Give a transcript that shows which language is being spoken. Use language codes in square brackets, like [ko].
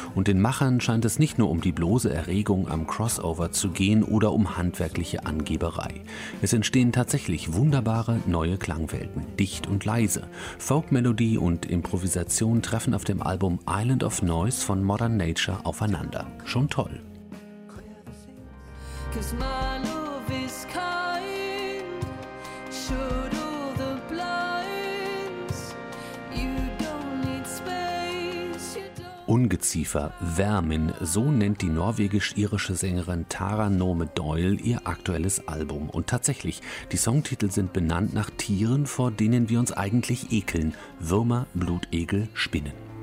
[de] Und den Machern scheint es nicht nur um die bloße Erregung am Crossover zu gehen oder um handwerkliche Angeberei. Es entstehen tatsächlich wunderbare neue Klangwelten, dicht und leise. Folkmelodie und Improvisation treffen auf dem Album Island of Noise von Modern Nature aufeinander. Schon toll. [en] 'Cause my love is kind, showed all the blinds. You don't need space, you don't. [de] Ungeziefer, Vermin, so nennt die norwegisch-irische Sängerin Tara Nome Doyle ihr aktuelles Album. Und tatsächlich, die Songtitel sind benannt nach Tieren, vor denen wir uns eigentlich ekeln. Würmer, Blutegel, Spinnen.